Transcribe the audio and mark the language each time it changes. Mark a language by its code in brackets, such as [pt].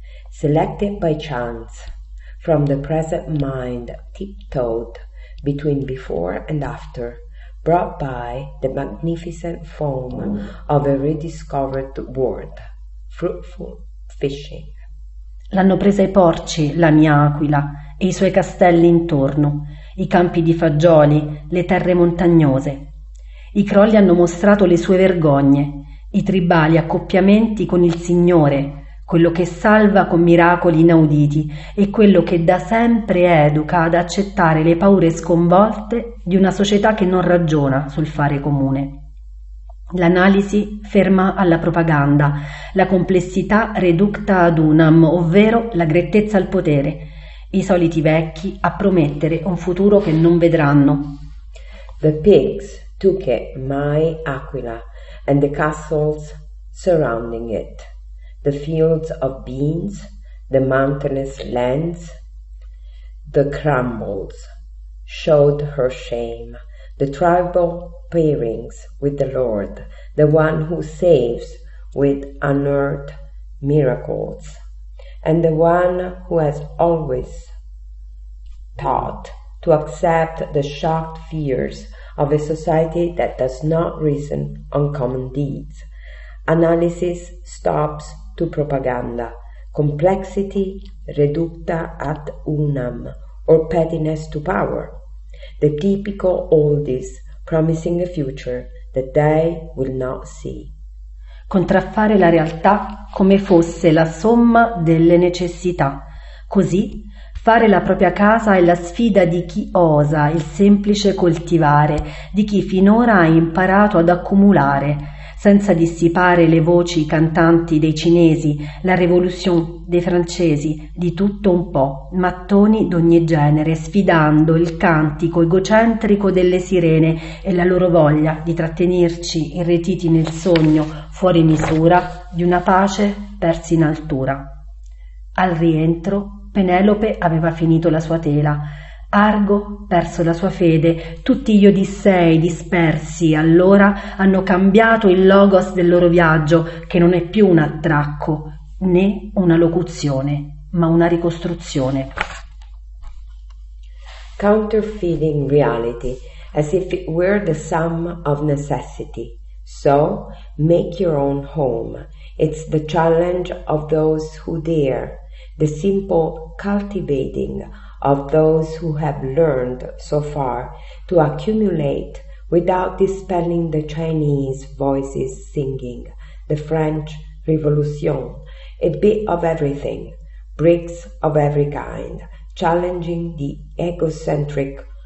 [en] Selected by chance. From the present mind, tiptoed between before and after, brought by the magnificent foam of a rediscovered world, fruitful fishing. [it] L'hanno presa i porci, la mia aquila, e i suoi castelli intorno, i campi di fagioli, le terre montagnose. I crolli hanno mostrato le sue vergogne, i tribali accoppiamenti con il Signore, quello che salva con miracoli inauditi e quello che da sempre educa ad accettare le paure sconvolte di una società che non ragiona sul fare comune. L'analisi ferma alla propaganda, la complessità [la] reducta ad unam, [it] ovvero la grettezza al potere, i soliti vecchi a promettere un futuro che non vedranno. [en] The pigs took it, my aquila, and the castles surrounding it. The fields of beans, the mountainous lands, the crumbles showed her shame, the tribal pairings with the Lord, the one who saves with unearthed miracles, and the one who has always taught to accept the shocked fears of a society that does not reason on common deeds. Analysis stops to propaganda, complexity [la] reducta ad unam, [en] or pettiness to power. The typical oldies promising a future that they will not see. [it] Contraffare la realtà come fosse la somma delle necessità. Così, fare la propria casa è la sfida di chi osa il semplice coltivare, di chi finora ha imparato ad accumulare, senza dissipare le voci cantanti dei cinesi, la rivoluzione dei francesi, di tutto un po', mattoni d'ogni genere, sfidando il cantico egocentrico delle sirene e la loro voglia di trattenerci irretiti nel sogno fuori misura di una pace persa in altura. Al rientro, Penelope aveva finito la sua tela, Argo perso la sua fede, tutti gli Odissei dispersi allora hanno cambiato il logos del loro viaggio, che non è più un attracco né una locuzione, ma una ricostruzione. [en] Counterfeiting reality as if it were the sum of necessity. So make your own home. It's the challenge of those who dare, the simple cultivating of those who have learned so far to accumulate without dispelling the Chinese voices singing, the French revolution, a bit of everything, bricks of every kind, challenging the egocentric